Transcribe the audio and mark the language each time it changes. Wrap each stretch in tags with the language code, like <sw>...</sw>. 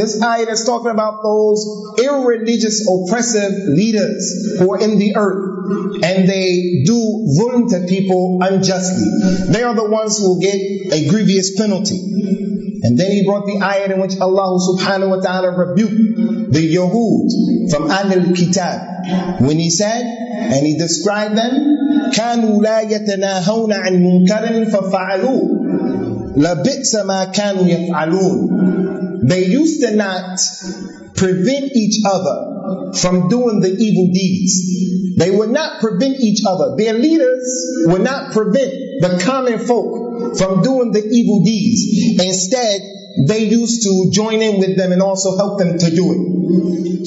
<en>This ayat is talking about those irreligious, oppressive leaders who are in the earth and they do zulm to people unjustly. They are the ones who will get a grievous penalty. And then he brought the ayat in which Allah subhanahu wa ta'ala rebuked the Yahud from Ahlul Kitab. When he said, and he described them,</en> <ar>كَانُوا لَا يَتَنَاهَوْنَ عَنْ مُنْكَرٍ فَفَعَلُوا لَبِئْسَ مَا كَانُوا يَفْعَلُونَ.</ar> <en>They used to not prevent each other from doing the evil deeds. They would not prevent each other. Their leaders would not prevent the common folk from doing the evil deeds. Instead, they used to join in with them and also help them to do it.</en>